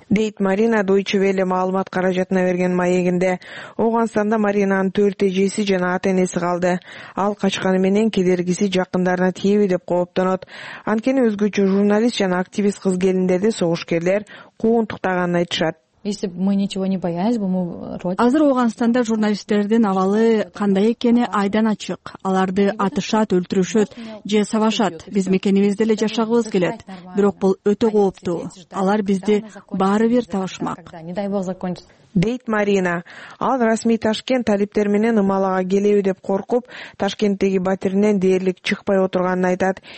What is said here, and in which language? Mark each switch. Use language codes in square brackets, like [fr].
[ky] Дейт Марина Deutsche Welle маалымат каражатына берген маегинде. Афганстанда Маринанын 4 эжеси жана ата энеси калды. Ал качканы менен кедергиси жакындарына тийеби деп кооптонот. Анткени өзгөчө журналист жана активист кыз келиндерди согушкерлер куугунтуктаганын айтышат. [ru] Если бы мы ничего не боялись бы, мы родина. [ky] Азыр Афганстанда журналисттердин абалы кандай экени айдан ачык. Аларды атышат, өлтүрүшөт же савашат. Биз мекенибизде эле жашагыбыз келет. Бирок бул өтө кооптуу. Алар бизди баары бир табышмак. [ru] Не дай бог закончится. [ky] Дейт Марина. Ал расмий Ташкент талиптер менен ымалага келеби деп коркуп, Ташкенттеги батиринен дээрлик чыкпай отурганын айтат.